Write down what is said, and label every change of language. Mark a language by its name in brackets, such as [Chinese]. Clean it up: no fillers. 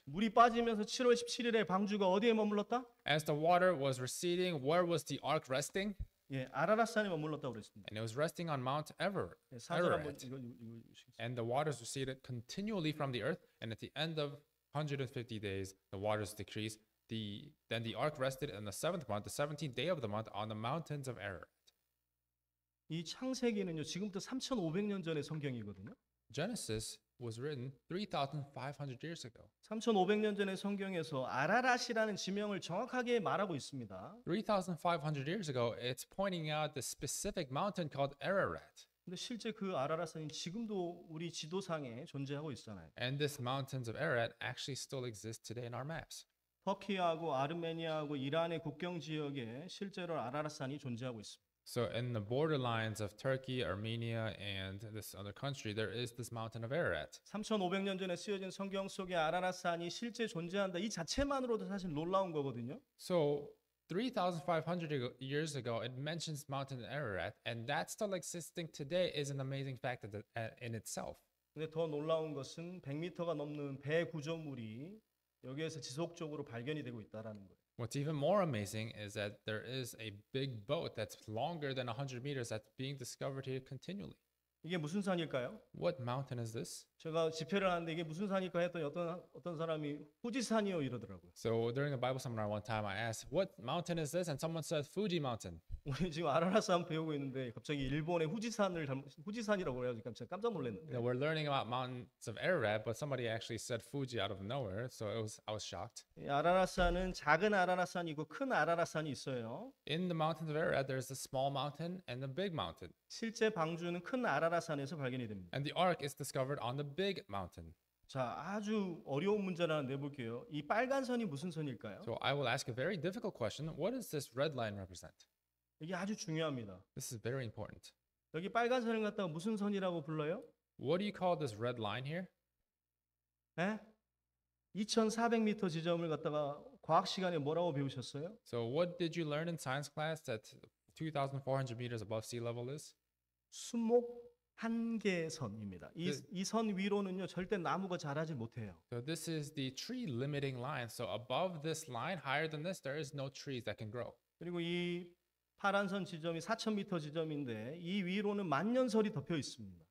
[Korean] 물이 빠지면서 7월 17일에 방주가 어디에 머물렀다? [English] As the water was receding, where was the ark resting? [Korean] 예, 아라라산에 머물렀다고 그랬습니다. [English] And it was resting on Mount Everest. [Korean] 예, 이거. [English] And the waters receded continually from the earth, and at the end of 150 days, the waters decreased. Then the ark rested in the seventh month, the 17th day of the month, on the mountains of Ararat. [Korean] 이 창세기는요 지금부터 3,500년 전의 성경이거든요. [English] Genesis was written 3,500 years ago. [Korean] 3,500년 전의 성경에서 아라랏이라는 지명을 정확하게 말하고 있습니다. [English] 3,500 years ago, it's pointing out the specific mountain called Ararat. [Korean] 근데 실제 그 아라랏은 지금도 우리 지도상에 존재하고 있잖아요. [English] And this mountains of Ararat actually still exist today in our maps. [Korean] 터키하고 아르메니아하고 이란의 국경 지역에 실제로 아라랏산이 존재하고 있습니다. [English] So in the borderlines of Turkey, Armenia and this other country there is this mountain of Ararat. [Korean] 3500년 전에 쓰여진 성경 속에 아라랏산이 실제 존재한다 이 자체만으로도 사실 놀라운 거거든요. [English] So 3500 years ago it mentions mountain Ararat and that still existing today is an amazing fact in itself. [Korean] 근데 더 놀라운 것은 100m가 넘는 배 구조물이 여기에서 지속적으로 발견이 되고 있다라는 거예요. [English] What's even more amazing is that there is a big boat that's longer than 100 meters that's being discovered here continually. [Korean] 이게 무슨 산일까요? [English] What mountain is this? [Korean] 제가 집회를 하는데 이게 무슨 산일까 했더니 어떤 사람이 후지산이요 이러더라고요. [English] So during a Bible seminar one time I asked what mountain is this and someone said Fuji mountain. [Korean] 우리 지금 아라랏산 배우고 있는데 갑자기 일본의 후지산이라고 해서 깜짝 놀랐는데. [English] Now we're learning about mountains of Ararat but somebody actually said Fuji out of nowhere so I was shocked. [Korean] 아라랏산은 작은 아라랏산이고 큰 아라랏산이 있어요. [English] In the mountains of Ararat there's a small mountain and a big mountain. [Korean] 실제 방주는 큰 아라랏산에서 발견이 됩니다. [English] And the ark is discovered on the big mountain. [Korean] 자, 아주 어려운 문제를 하나 내볼게요. 이 빨간 선이 무슨 선일까요? [English] So I will ask a very difficult question. What does this red line represent? [Korean] 이게 아주 중요합니다. [English] This is very important. [Korean] 여기 빨간 선을 갖다가 무슨 선이라고 불러요? [English] What do you call this red line here? [Korean] 에? 2,400m 지점을 갖다가 과학 시간에 뭐라고 배우셨어요? [English] So what did you learn in science class that 2,400 meters above sea level is? [Korean] 수목 한계선입니다. 이 선 위로는요 절대 나무가 자라지 못해요. [English] So this is the tree limiting line. So above this line, higher than this, there is no trees that can grow. [Korean] 그리고 이 파란 선 지점이 4,000m 지점인데 이 위로는 만년설이 덮여 있습니다.